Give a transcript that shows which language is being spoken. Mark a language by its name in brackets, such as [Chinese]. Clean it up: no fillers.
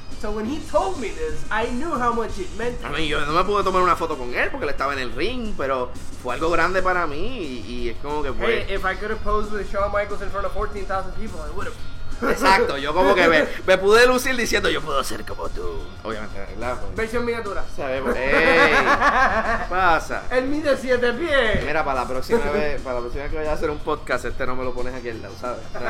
[English] So when he told me this, I knew how much it meant to me. I mean, [Spanish] yo no me pude tomar una foto con él porque él estaba en el ring, pero fue algo grande para mí y es como que fue... [English] Hey, if I could have posed with Shawn Michaels in front of 14,000 people, I would have... [Spanish] Exacto, yo como que me pude lucir diciendo, yo puedo ser como tú. Obviamente, ¿verdad? Porque versión miniatura. Sabemos. ¡Ey! Pasa. Él mide 7 pies. Mira, para la próxima vez, para la próxima vez que vaya a hacer un podcast, este no me lo pones aquí al lado, ¿sabes?